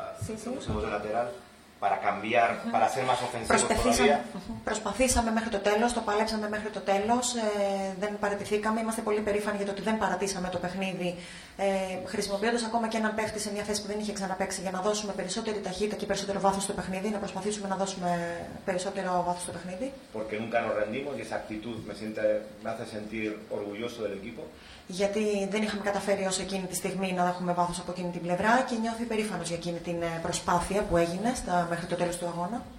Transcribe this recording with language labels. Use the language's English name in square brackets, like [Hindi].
[Spanish] Usamos de lateral para cambiar, para ser más ofensivos todavía. [Greek] Προσπαθήσαμε μέχρι το τέλος, το πάλεψαμε μέχρι το τέλος, δεν παραιτηθήκαμε. Είμαστε πολύ περήφανοι για το ότι δεν παρατήσαμε το παιχνίδι, χρησιμοποιώντας ακόμα και έναν παίχτη σε μια θέση που δεν είχε ξαναπαίξει, για να δώσουμε περισσότερη ταχύτητα και περισσότερο βάθος στο παιχνίδι, να προσπαθήσουμε να δώσουμε περισσότερο βάθος στο παιχνίδι. [Spanish] Porque nunca nos rendimos y esa actitud me hace sentir orgulloso del equipo. [Greek] Γιατί δεν είχαμε καταφέρει ως εκείνη τη στιγμή να έχουμε βάθος από εκείνη την πλευρά και νιώθει περήφανος για εκείνη την προσπάθεια που έγινε μέχρι το τέλος του αγώνα.